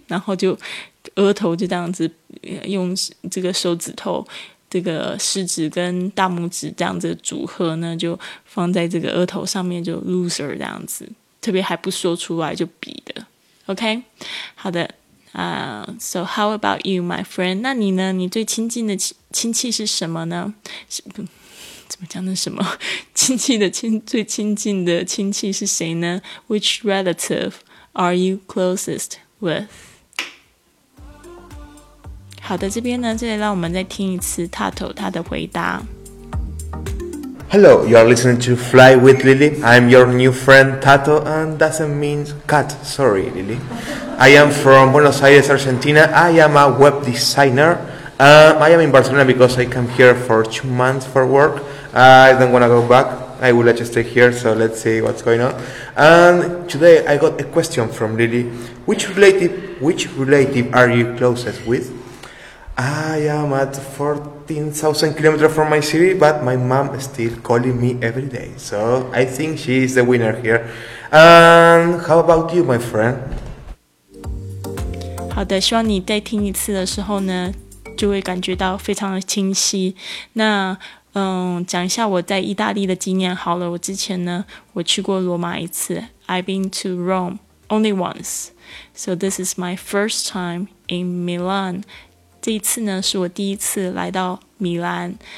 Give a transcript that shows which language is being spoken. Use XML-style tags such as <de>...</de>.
<zh>然后就额头就这样子用这个手指头这个食指跟大拇指这样子的组合呢就放在这个额头上面，就 loser 这样子，特别还不说出来就比的。</zh> <en>OK,</en> <zh>好的，</zh> <en>so how about you, my friend?</en> <zh>那你呢？你最亲近的亲戚是什么呢？怎么讲的什么？亲戚的最亲近的亲戚是谁呢？</zh> <en>Which relative are you closest with?</en> <zh>好的，这边呢，这里让我们再听一次 Tato 他的回答。</zh> <en>Hello, you are listening to Fly with Lily. I'm your new friend Tato, and doesn't mean cat, sorry Lily. I am from Buenos Aires, Argentina. I am a web designer. I am in Barcelona because I came here for 2 months for work. I don't want to go back. I would like to stay here, so let's see what's going on. And today I got a question from Lily. Which relative are you closest with? I am at 14,000 kilometers from my city, but my mom is still calling me every day. So I think she is the winner here. And how about you, my friend?</en> <zh>好的，希望你再听一次的时候呢就会感觉到非常的清晰。那讲一下我在意大利的经验好了，我之前呢我去过罗马一次，</zh> <en>I've been to Rome only once, so this is my first time in Milan,</en> <zh>这一次呢是我第一次来到米兰。</zh>